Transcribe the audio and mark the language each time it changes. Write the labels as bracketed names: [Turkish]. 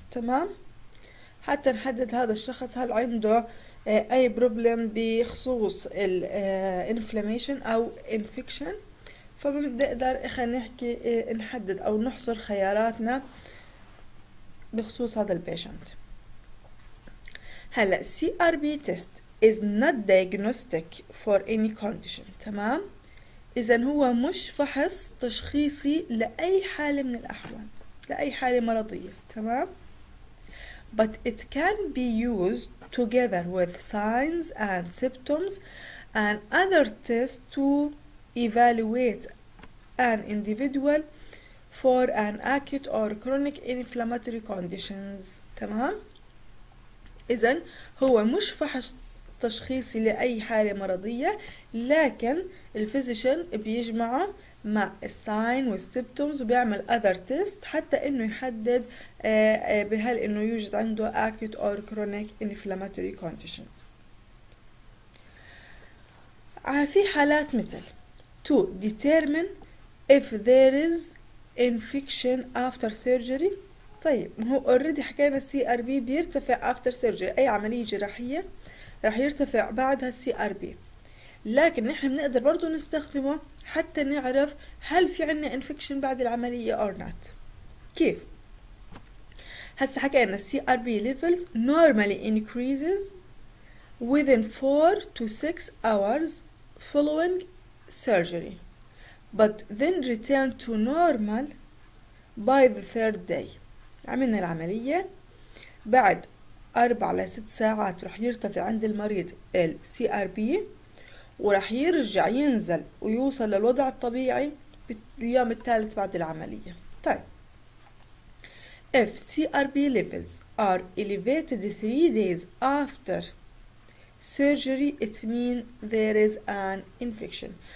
[Arabic] تمام؟ حتى نحدد هذا الشخص هل عنده اي بروبلم بخصوص الانفلاميشن او انفكشن، فبنقدر خلينا نحكي نحدد او نحصر خياراتنا بخصوص هذا البيشنت. [English] هلا CRB test is not diagnostic for any condition. [Arabic] تمام؟ اذا هو مش فحص تشخيصي لاي حاله من الاحوال، لاي حاله مرضيه. [English] تمام؟ but it can be used together with signs and symptoms and other tests to evaluate an individual for an acute or chronic inflammatory conditions. [Arabic] تمام؟ إذا هو مش فحص تشخيصي لأي حالة مرضية، لكن الفيزيشن بيجمعه مع الساين والسيبتومز وبيعمل other test حتى انه يحدد بهل انه يوجد عنده acute or chronic inflammatory conditions. [English] في حالات مثل to determine if there is infection after surgery. [Arabic] طيب هو already حكينا CRB بيرتفع after surgery، اي عملية جراحية رح يرتفع بعدها CRB، لكن نحن بنقدر برضو نستخدمه حتى نعرف هل في عنا انفكشن بعد العملية or not. [English] كيف؟ هسا حكينا CRB levels normally increases within 4 to 6 hours following surgery. but then return to normal by the third day. [Arabic] عملنا العملية بعد 4 ل 6 ساعات رح يرتفع عند المريض ال CRP ورح يرجع ينزل ويوصل للوضع الطبيعي باليوم الثالث بعد العملية. [English] طيب if CRP levels are elevated 3 days after surgery it means there is an infection.